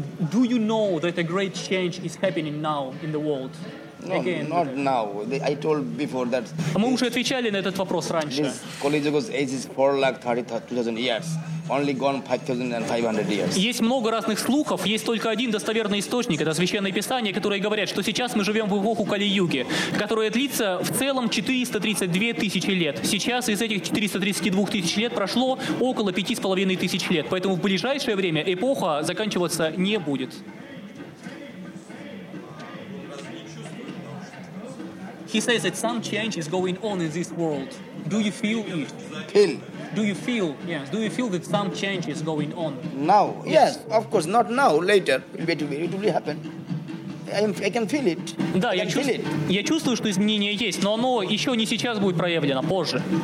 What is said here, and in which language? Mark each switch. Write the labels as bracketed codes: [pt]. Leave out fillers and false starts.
[en] Do you know that a great change is happening now in the world? No, again, not okay. Now. I told before that. [ru] Мы уже отвечали на этот вопрос раньше. [en] This Kali Yuga's age is 4,32,000 years. Only gone 5,500 years. [ru] Есть много разных слухов. Есть только один достоверный источник. Это Священное Писание, которое говорит, что сейчас мы живем в эпоху Кали-Юги, которая длится в целом 432 тысячи лет. Сейчас из этих 432 тысяч лет прошло около 5,5 тысяч лет. Поэтому в ближайшее время эпоха заканчиваться не будет. [en] He says that some change is going on in this world. Do you feel it? Feel. Do you feel, yes, do you feel that some change is going on? Now, yes, of course, not now, later, it will happen. I can feel it. [ru] Да, я чувствую, что изменение есть, но оно еще не сейчас будет проявлено, позже.